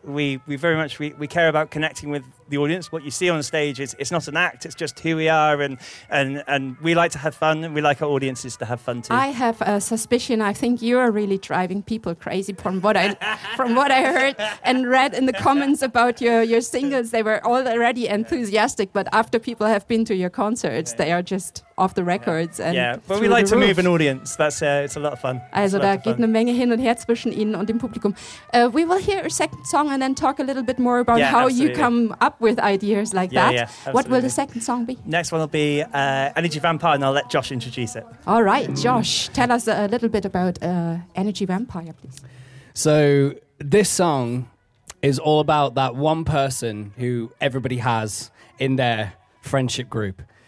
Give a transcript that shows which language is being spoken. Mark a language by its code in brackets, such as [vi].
[en] We very much care about connecting with the audience. What you see on stage is not an act, it's just who we are, and we like to have fun and we like our audiences to have fun too. I have a suspicion. I think you are really driving people crazy from what I heard and read in the comments about your singles. They were already enthusiastic, but after people have been to your concerts, they are just off the records. But we like to move an audience. It's a lot of fun. [de] Also da geht eine Menge hin und her zwischen Ihnen und dem Publikum. [en] We will hear a second song and then talk a little bit more about how absolutely. You come up with ideas like that. What will the second song be? Next one will be Energy Vampire, and I'll let Josh introduce it. All right, Josh, tell us a little bit about Energy Vampire, please. So this song is all about that one person who everybody has in their friendship group.